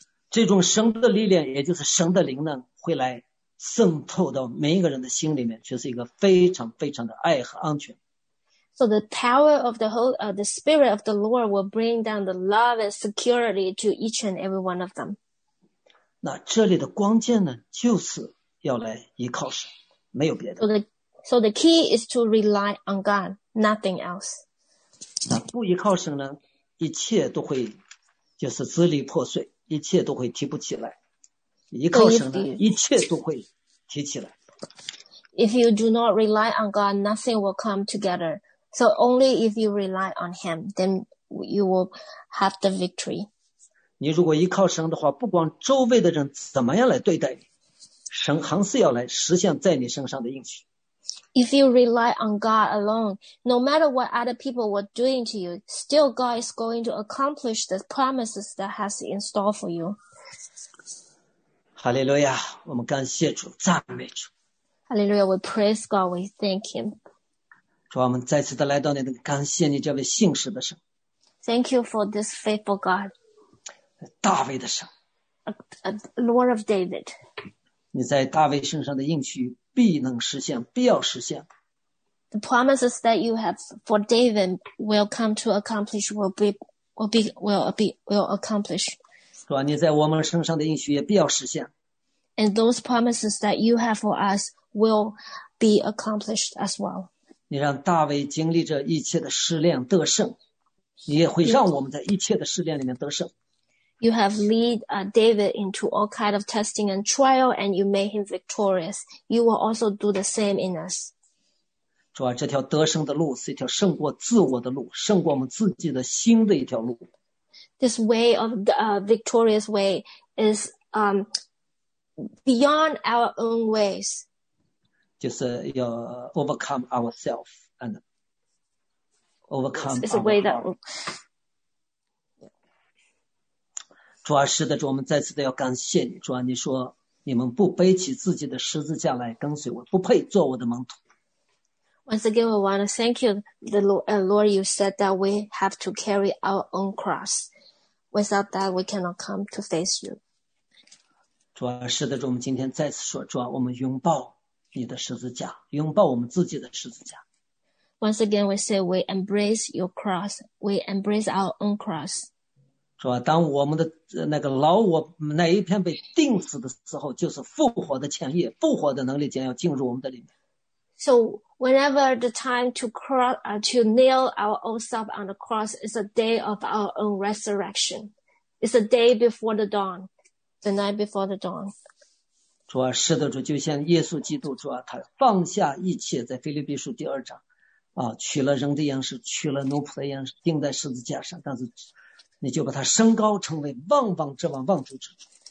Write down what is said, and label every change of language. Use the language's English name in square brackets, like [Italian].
[Chinese] 这种神的力量，也就是神的灵呢，会来渗透到每一个人的心里面，就是一个非常非常的爱和安全。 [English] So the power of the the spirit of the Lord will bring down the love and security to each and every one of them. [Chinese] 那这里的关键呢，就是要来依靠神，没有别的。 [English] So the key is to rely on God, nothing else. [Chinese] 那不依靠神呢，一切都会就是支离破碎，一切都会提不起来。依靠神呢，一切都会提起来。 [English] If you do not rely on God, nothing will come together. So only if you rely on Him, then you will have the victory. [Chinese] 你如果依靠神的话，不管周围的人怎么样来对待你，神还是要来实现在你身上的应许。 [English] If you rely on God alone, no matter what other people were doing to you, still God is going to accomplish the promises that has in store for you. [Chinese] Hallelujah, 我们感谢主，赞美主。 [English] Hallelujah, we praise God, we thank Him. [Chinese] 主啊，我们再次的来到你的，感谢你这位信实的神。 [English] Thank you for this faithful God. [Chinese] 大卫的神。 [English] A Lord of David. [Chinese] 你在大卫身上的应许必能实现，必要实现。 [English] The promises that you have for David will come to accomplish, will accomplish. [Chinese] 主啊，你在我们身上的应许也必要实现。 [English] And those promises that you have for us will be accomplished as well. [Chinese] 你让大卫经历着一切的试炼得胜，你也会让我们在一切的试炼里面得胜。 [English] You have led David into all kind of testing and trial, and you made him victorious. You will also do the same in us. [Chinese] 主啊，这条得胜的路是一条胜过自我的路，胜过我们自己的心的一条路。 [English] This way of the victorious way is beyond our own ways. [Chinese] 就是要 [English] overcome ourselves and overcome. It's a way that. [Chinese] 主啊，是的，主，我们再次的要感谢你。主啊，你说你们不背起自己的十字架来跟随我，不配做我的门徒。 [English] Once again, we want to thank you, the Lord. You said that we have to carry our own cross. Without that, we cannot come to face you. [Chinese] 主啊，是的，主，我们今天再次说，主啊，我们拥抱你的十字架，拥抱我们自己的十字架。 [English] Once again, we say we embrace your cross. We embrace our own cross. [Chinese] 主啊，当我们的那个老我那一片被钉死的时候，就是复活的前夜，复活的能力将要进入我们的里面。 [English] So whenever the time to cross, to nail our own self on the cross is a day of our own resurrection. It's a day before the dawn, the night before the dawn. [Chinese] 主啊，是的，主，就像耶稣基督，主啊，他放下一切，在腓立比书第二章，啊，取了人的样式，取了奴仆的样式，钉在十字架上，但是。你就把它升高成为万王之王，万主之主。